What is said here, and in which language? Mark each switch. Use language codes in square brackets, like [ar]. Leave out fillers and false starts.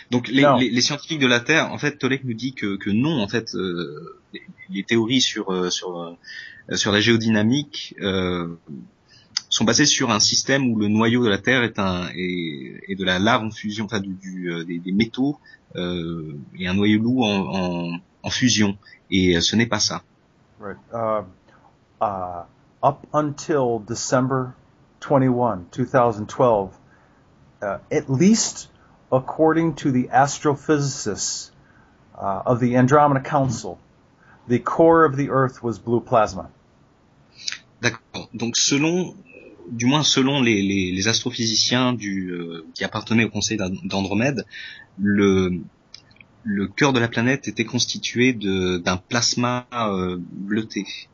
[fr] Donc les scientifiques de la Terre, en fait, Tolek nous dit que non, en fait, les théories sur la géodynamique sont basées sur un système où le noyau de la Terre est de la lave en fusion, enfin des métaux et un noyau lourd en fusion. Et ce n'est pas ça. [en] Up until December 21, 2012, at least according to the astrophysicists of the Andromeda Council, the core of the Earth was blue plasma. [fr] D'accord. Donc selon les astrophysiciens qui appartenaient au Conseil d'Andromède, le cœur de la planète était constitué d'un plasma bleuté.